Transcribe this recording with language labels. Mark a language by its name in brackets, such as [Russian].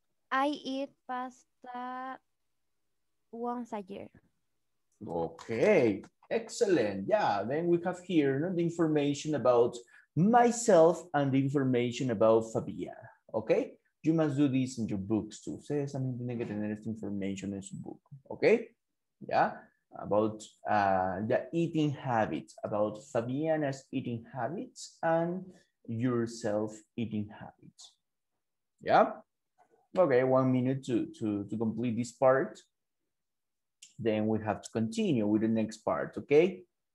[English] I eat pasta once a year. Okay, excellent. Yeah, then we have here, you know, the information about myself and the information about Fabia, okay? You must do this in your books too. [Spanish] Ustedes también tienen que tener esta información en su book, okay? [English] Yeah, about the eating habits, about Fabiana's eating habits and yourself eating habits. Yeah? Okay, 1 minute to complete this part. Then we have to continue with the next part, okay?